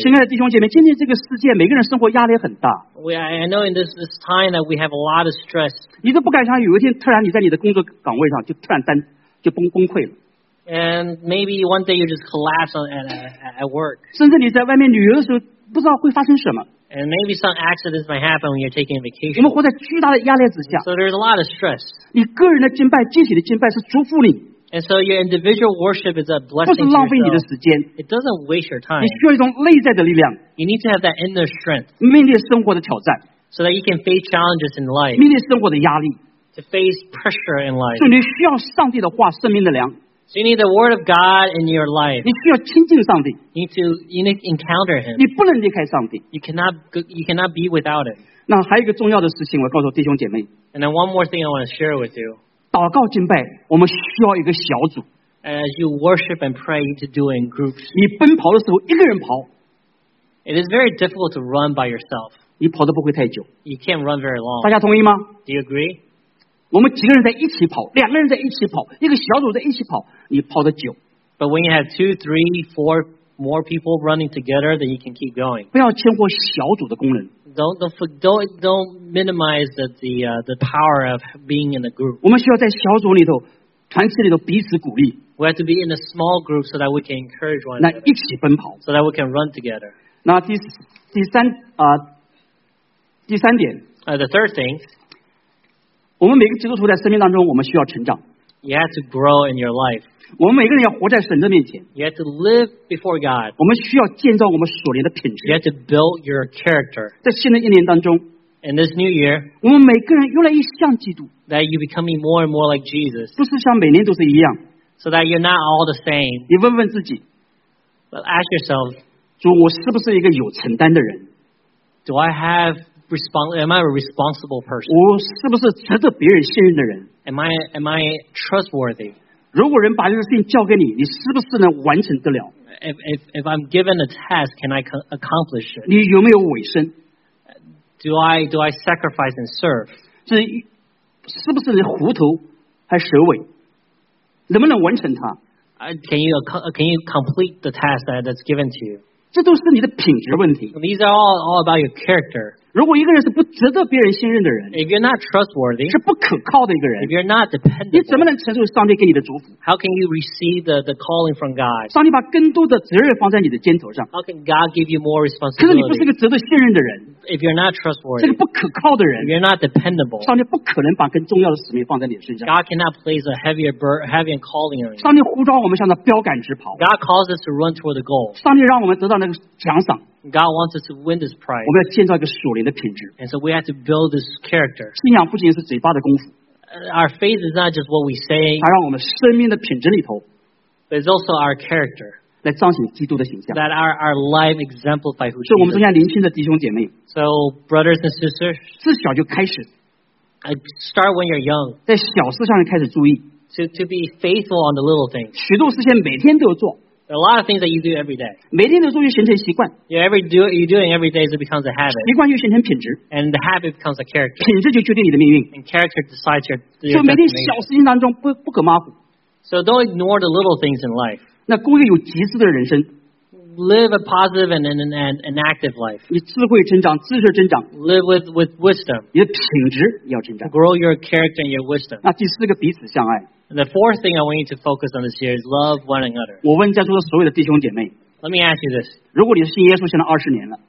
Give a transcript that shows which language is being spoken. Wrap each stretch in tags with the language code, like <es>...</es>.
<zh>you. 亲爱的弟兄姐妹，今天这个世界每个人生活压力很大。</zh> <en>I know in this time that we have a lot of stress.</en> <zh>你都不敢想有一天突然你在你的工作岗位上就突然单就崩溃了。</zh> <en>And maybe one day you just collapse at work.</en> <zh>甚至你在外面旅游的时候不知道会发生什么。</zh> <en>And maybe some accidents might happen when you're taking a vacation.</en> <zh>我们活在巨大的压力之下。</zh> <en>So there's a lot of stress.</en> <zh>你个人的敬拜，集体的敬拜是祝福你。</zh> <en>And so your individual worship is a blessing.</en> <zh>不是浪费你的时间。</zh> <en>It doesn't waste your time.</en> <zh>你需要一种内在的力量。</zh> <en>You need to have that inner strength.</en> <zh>面对生活的挑战。</zh> <en>So that you can face challenges in life.</en> <zh>面对生活的压力。</zh> <en>To face pressure in life.</en> <zh>就你需要上帝的话，生命的粮。</zh> <en>So you need the word of God in your life.</en> <zh>你需要亲近上帝。</zh> <en>You need to encounter him.</en> <zh>你不能离开上帝。</zh> <en>You cannot be without it.</en> <zh>那还有一个重要的事情我告诉弟兄姐妹。</zh> <en>And then one more thing I want to share with you.</en> <zh>祷告敬拜我们需要一个小组。</zh> <en>As you worship and pray, you need to do it in groups.</en> <zh>你奔跑的时候一个人跑。</zh> <en>It is very difficult to run by yourself.</en> <zh>你跑得不会太久。</zh> <en>You can't run very long.</en> <zh>大家同意吗？</zh> <en>Do you agree?</en> <zh>我们几个人在一起跑，两个人在一起跑，一个小组在一起跑，你跑得久。</zh> <en>But when you have two, three, four more people running together, then you can keep going.</en> <zh>不要轻忽小组的功能。</zh> <en>Don't minimize the power of being in a group.</en> <zh>我们需要在小组里头，团体里头彼此鼓励。</zh> <en>We have to be in a small group so that we can encourage one.</en> <zh>那一起奔跑。</zh> <en>So that we can run together.</en> <zh>那第三点。</zh> <en>The third thing.</en> <zh>我们每个基督徒在生命当中，我们需要成长。</zh> <en>You have to grow in your life.</en> <zh>我们每个人要活在神的面前。</zh> <en>You have to live before God.</en> <zh>我们需要建造我们属灵的品质。</zh> <en>You have to build your character.</en> <zh>在新的一年当中</zh> <en>，In this new year,</en> <zh>我们每个人越来越像基督。</zh> <en>That you becoming more and more like Jesus.</en> <zh>不是像每年都是一样。</zh> <en>So that you're not all the same.</en> <zh>你问问自己</zh> <en>，But ask yourself,</en> <zh>主，我是不是一个有承担的人</zh> <en>？Do I have Am I a responsible person?</en> <zh>我是不是值得别人信任的人</zh> <en>？Am I trustworthy?</en> <zh>如果人把这个事情交给你，你是不是能完成得了</zh> <en>？If I'm given a task, can I accomplish it?</en> <zh>你有没有委身</zh> <en>？Do I sacrifice and serve?</en> <zh>是不是你虎头还蛇尾？能不能完成它</zh> <en>？Can you complete the task that's given to you?</en> <zh>这都是你的品质问题。</zh> <en>These are all about your character.</en> <zh>如果一个人是不值得别人信任的人</zh> <en>，If you're not trustworthy，</en> <zh>是不可靠的一个人</zh> <en>，If you're not dependable，</en> <zh>你怎么能承受上帝给你的祝福</zh> <en>？How can you receive the calling from God？</en> <zh>上帝把更多的责任放在你的肩头上</zh> <en>，How can God give you more responsibility？</en> <zh>可是你不是个值得信任的人</zh> <en>，If you're not trustworthy，</en> <zh>是个不可靠的人</zh> <en>，If you're not dependable，</en> <zh>上帝不可能把更重要的使命放在你的身上</zh> <en>，God cannot place a heavier calling on you。</en> <zh>上帝呼召我们向着标杆直跑</zh> <en>，God calls us to run toward the goal。</en> <zh>上帝让我们得到那个奖赏。</zh> <en>God wants us to win this prize.</en> <zh>我们要建造一个属灵的品质。</zh> <en>And so we have to build this character.</en> <zh>信仰不仅是嘴巴的功夫。</zh> <en>Our faith is not just what we say.</en> <zh>它让我们生命的品质里头。</zh> <en>But it's also our character.</en> <zh>来彰显基督的形象。</zh> <en>That our life exemplifies who Jesus is.</en> <zh>是我们中间年轻的弟兄姐妹。</zh> <en>So brothers and sisters.</en> <zh>自小就开始。</zh> <en>Start when you're young.</en> <zh>在小事上就开始注意。</zh> <en>To be faithful on the little things.</en> <zh>许多事情每天都要做。</zh> <en>There are a lot of things that you do every day.</en> <zh>每天都做就形成习惯。</zh> <en>Yeah, you're doing every day, it becomes a habit.</en> <zh>习惯就形成品质。</zh> <en>And the habit becomes a character.</en> <zh>品质就决定你的命运。</zh> <en>And character decides your destiny.</en> <zh>所以每天小事情当中不可马虎。</zh> <en>So don't ignore the little things in life.</en> <zh>那过一个有极致的人生。</zh> <en>Live a positive and active life.</en> <zh>你智慧增长，知识增长。</zh> <en>Live with wisdom.</en> <zh>你的品质要增长。</zh> <en>Grow your character and your wisdom.</en> <zh>那第四个彼此相爱。</zh> <en>And the fourth thing I want you to focus on this year is love one another.</en> <zh>我问在座的所有的弟兄姐妹。</zh> <en>Let me ask you this.</en> <zh>如果你是信耶稣现在二十年了。</zh>